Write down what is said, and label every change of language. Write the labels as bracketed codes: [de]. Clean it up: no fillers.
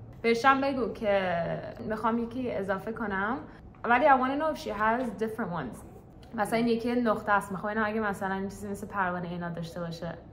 [fa] بهشم بگو که میخوام یکی اضافه کنم. ولی [en] I want to know if she has different ones. [fa] مثلا این یکی نقطه است. میخوام اینو اگه مثلا این چیزی مثل پروانه اینا داشته باشه.